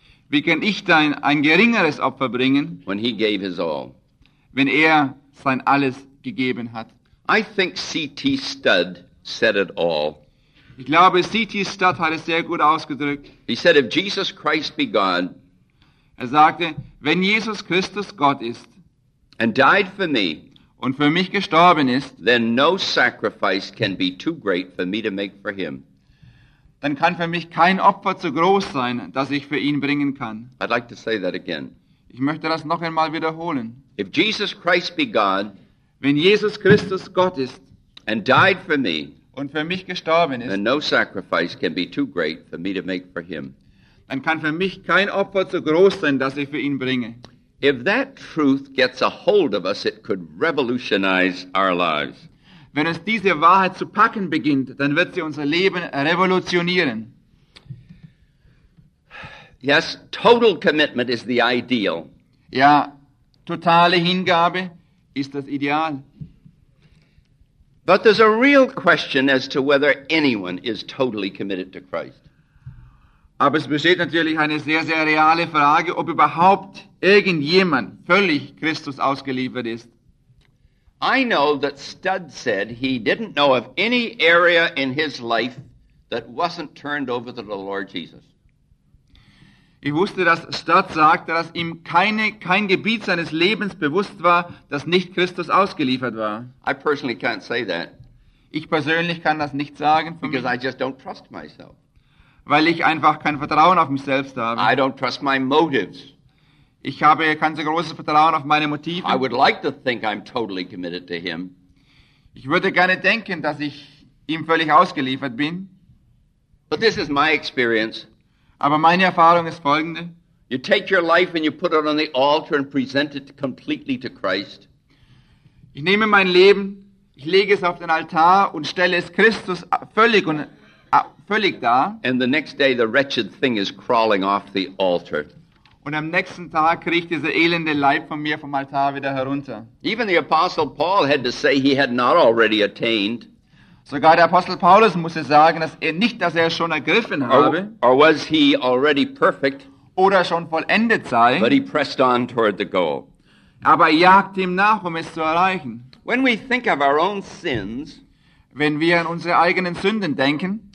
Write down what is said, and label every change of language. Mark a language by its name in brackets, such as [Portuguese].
[German] Wie kann ich dann ein geringeres Opfer bringen? [English] When he gave his all. [German] Wenn er sein Alles gegeben hat. [English] I think C.T. Studd said it all. [German] Ich glaube, C.T. Studd hat es sehr gut ausgedrückt. [English] He said, if Jesus Christ be God. [German] Er sagte, wenn Jesus Christus Gott ist. [English] And died for me. [German] Und für mich gestorben ist, [English] then no sacrifice can be too great for me to make for him. [German] Dann kann für mich kein Opfer zu groß sein, das ich für ihn bringen kann. [English] I'd like to say that again. [German] Ich möchte das noch einmal wiederholen. [English] If Jesus Christ be God, [German] wenn Jesus Christus Gott ist, [English] and died for me, [German] und für mich gestorben ist, [English] then no sacrifice can be too great for me to make for him. [German] Dann kann für mich kein Opfer zu groß sein, das ich für ihn bringe. [English] If that truth gets a hold of us, it could revolutionize our lives. [German] Wenn uns diese Wahrheit zu packen beginnt, dann wird sie unser Leben revolutionieren. [English] Yes, total commitment is the ideal. [German] Ja, totale Hingabe ist das Ideal. [English] But there's a real question as to whether anyone is totally committed to Christ. [German] Aber es besteht natürlich eine sehr, sehr reale Frage, ob überhaupt irgendjemand völlig Christus ausgeliefert ist. [English] I know that Studd said he didn't know of any area in his life that wasn't turned over to the Lord Jesus. [German] Ich wusste, dass Studd sagte, dass ihm kein Gebiet seines Lebens bewusst war, dass nicht Christus ausgeliefert war. [English] I personally can't say that. [German] Ich persönlich kann das nicht sagen. [English] Because I just don't trust myself. [German] Weil ich einfach kein Vertrauen auf mich selbst habe. [English] I don't trust my motives. [German] Ich habe kein so großes Vertrauen auf meine Motive. [English] I would like to think I'm totally committed to him. [German] Ich würde gerne denken, dass ich ihm völlig ausgeliefert bin. [English] But this is my experience. [German] Aber meine Erfahrung ist folgende. [English] You take your life and you put it on the altar and present it completely to Christ. [German] Ich nehme mein Leben, ich lege es auf den Altar und stelle es Christus völlig und völlig da. [English] And the next day the wretched thing is crawling off the altar. [German] Und am nächsten Tag kriecht dieser elende Leib von mir vom Altar wieder herunter. [English] Even the Apostle Paul had to say he had not already attained. [German] Sogar der Apostel Paulus musste sagen, dass er nicht, dass er schon ergriffen habe. [English] Or was he already perfect? [German] Oder schon vollendet sei. [English] But he pressed on toward the goal. [German] Aber er jagte ihm nach, um es zu erreichen. [English] When we think of our own sins, [German] wenn wir an unsere eigenen Sünden denken,